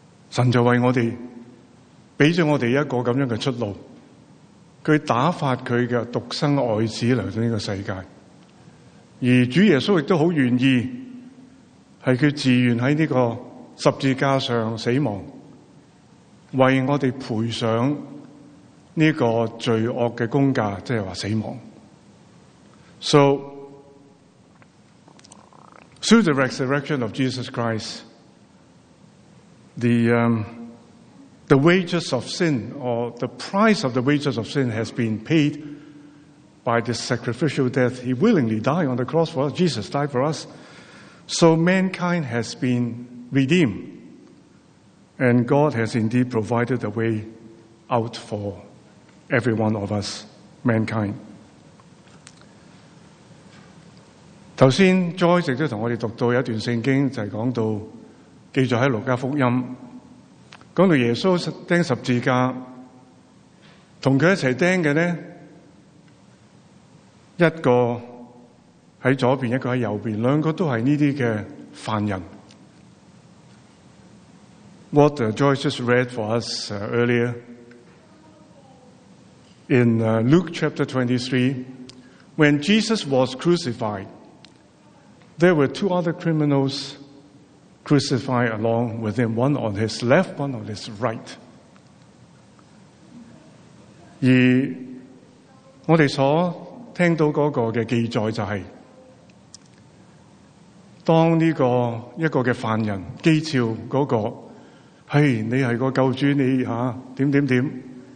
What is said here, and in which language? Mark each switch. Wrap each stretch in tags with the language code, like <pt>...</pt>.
<zh>神就为我们给了我们一个这样的出路，他打发他的独生爱子来到这个世界，而主耶稣也很愿意，是他自愿在这个十字架上死亡，为我们赔上这个罪恶的工价，就是说死亡。</zh> <en>So through the resurrection of Jesus Christ, The wages of sin, or the price of the wages of sin, has been paid by the sacrificial death. He willingly died on the cross for us. Jesus died for us. So mankind has been redeemed. And God has indeed provided a way out for every one of us, mankind.</en> <zh>刚才 Joyce 也跟我们读到一段圣经，就是讲到记载在《路加福音》，讲到耶稣钉十字架，跟他一起钉的呢，一个在左边，一个在右边，两个都是这些的犯人。</zh> <en>What Joyce just read for us earlier in Luke chapter 23, when Jesus was crucified, there were two other criminalsCrucified along with him, one on his left, one on his right.</en> <zh>而我们所听到那个的记载就是，当这个一个的犯人讥诮那个，嘿，你是个救主，你啊，点点点。</zh>